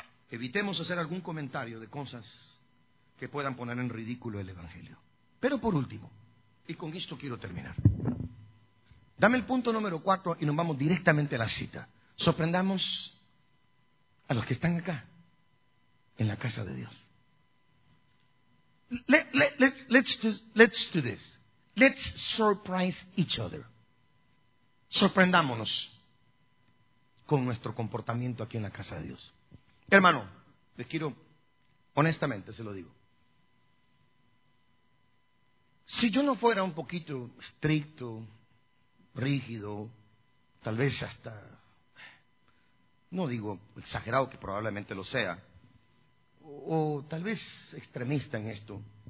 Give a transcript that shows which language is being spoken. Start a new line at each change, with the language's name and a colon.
Spanish: Evitemos hacer algún comentario de cosas que puedan poner en ridículo el Evangelio. Pero por último, y con esto quiero terminar. Dame el punto número 4 y nos vamos directamente a la cita. Sorprendamos a los que están acá, en la casa de Dios.
English: Let's do this. Let's surprise each other.
Spanish: Sorprendámonos con nuestro comportamiento aquí en la casa de Dios. Hermano, les quiero, honestamente se lo digo. Si yo no fuera un poquito estricto, rígido, tal vez hasta, no digo exagerado, que probablemente lo sea, o tal vez extremista en esto.